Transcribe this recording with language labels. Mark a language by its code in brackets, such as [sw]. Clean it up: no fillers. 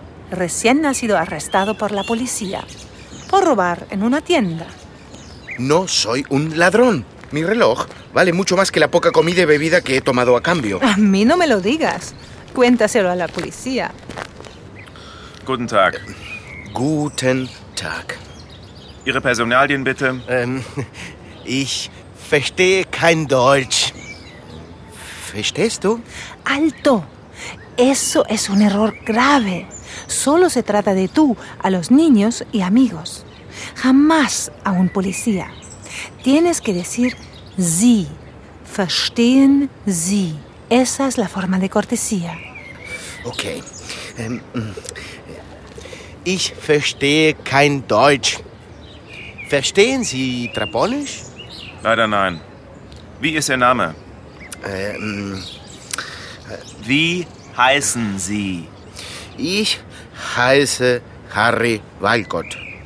[es] Recién ha sido arrestado por la policía por robar en una tienda. No soy un ladrón. Mi reloj vale mucho más que la poca comida y bebida que he tomado a cambio. A mí no me lo digas. Cuéntaselo a la policía. [de] Guten Tag. Guten Tag. Ihre Personalien bitte. Ich verstehe kein Deutsch. ¿Verstehst du? [es] ¡Alto! Eso es un error grave. Solo se trata de tú, a los niños y amigos. Jamás a un policía. Tienes que decir Sie. [de] Verstehen Sie. [es] Esa es la forma de cortesía. Ok. [de] Ich verstehe kein Deutsch. Verstehen Sie Trapanisch? Leider nein. Wie ist Ihr Name? Wie heißen Sie? Ich heiße Harry Walcott.